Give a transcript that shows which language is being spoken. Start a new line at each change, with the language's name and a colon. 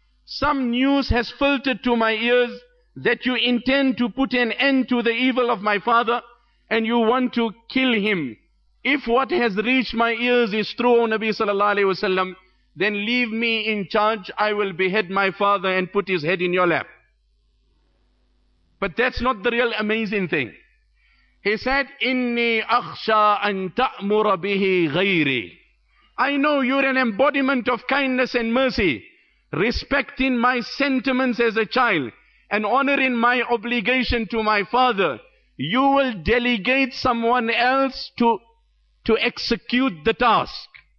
English: Some news has filtered to my ears that you intend to put an end to the evil of my father and you want to kill him. If what has reached my ears is true, O Nabi sallallahu alayhi wasallam, then leave me in charge. I will behead my father and put his head in your lap. But that's not the real amazing thing. He said,
Arabic: إِنِّي أَخْشَىٰ أَن تَأْمُرَ بِهِ غَيْرِي.
English: I know you're an embodiment of kindness and mercy, respecting my sentiments as a child and honoring my obligation to my father. You will delegate someone else to execute the task.